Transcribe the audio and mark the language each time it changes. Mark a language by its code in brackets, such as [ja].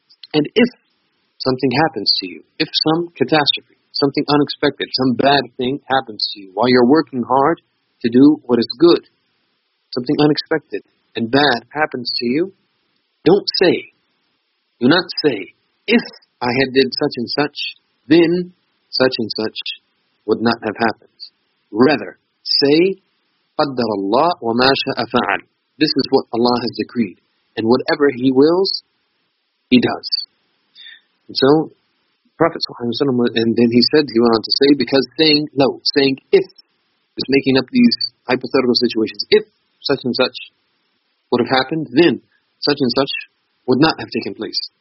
[en] And if something happens to you, if some catastrophe, something unexpected, some bad thing happens to you while you're working hard to do what is good, something unexpected and bad happens to you, do not say, if I had did such and such, then such and such would not have happened. Rather, say, [ar] قَدَّرَ اللَّهُ وَمَا شَاءَ فَعَلَ. [en] This is what Allah has decreed. And whatever He wills, He does. And so, Prophet ﷺ, and then he went on to say, because saying if, is making up these hypothetical situations, if such and such would have happened, then such and such would not have taken place.